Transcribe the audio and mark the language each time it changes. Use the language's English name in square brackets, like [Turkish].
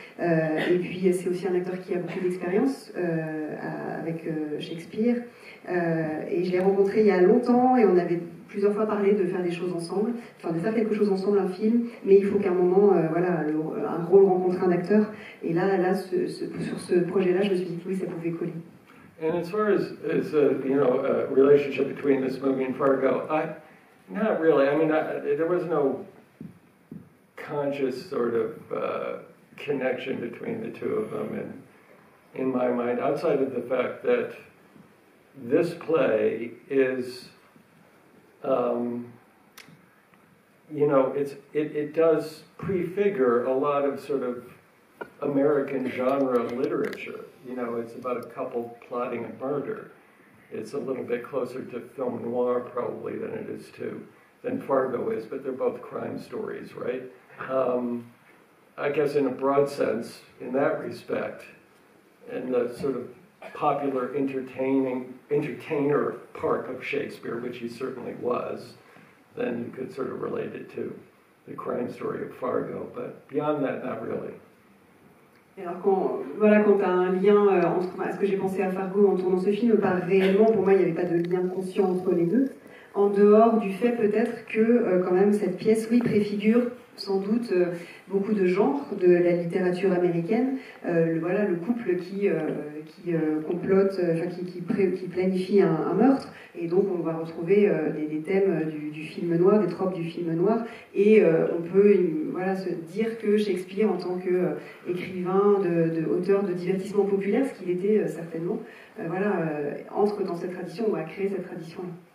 [French] Et puis c'est aussi un acteur qui a beaucoup d'expérience avec Shakespeare. Et je l'ai rencontré il y a longtemps et on avait plusieurs fois parlé de faire des choses ensemble, enfin de faire quelque chose ensemble, un film, mais il faut qu'à un moment, un rôle rencontre un acteur. Et là sur ce projet-là, je me suis dit que oui, ça pouvait coller. [English] And as far as you know, a relationship between this movie and Fargo, not really. I mean, there was no conscious sort of connection between the two of them in my mind, outside of the fact that this play is, you know, it does prefigure a lot of sort of American genre literature. You know, it's about a couple plotting a murder. It's a little bit closer to film noir, probably, than it is to, than Fargo is, but they're both crime stories, right? I guess in a broad sense, in that respect, and the sort of popular entertainer part of Shakespeare, which he certainly was, then you could sort of relate it to the crime story of Fargo, but beyond that, not really. [French] Et alors quand tu as un lien entre ce que j'ai pensé à Fargo en tournant ce film, pas réellement, pour moi, il n'y avait pas de lien conscient entre les deux, en dehors du fait peut-être que quand même cette pièce, oui, préfigure sans doute beaucoup de genres de la littérature américaine, le couple qui planifie un meurtre, et donc on va retrouver des thèmes du film noir, des tropes du film noir, et on peut se dire que Shakespeare, en tant qu'écrivain, auteur de divertissement populaire, ce qu'il était certainement, entre dans cette tradition ou a créé cette tradition-là.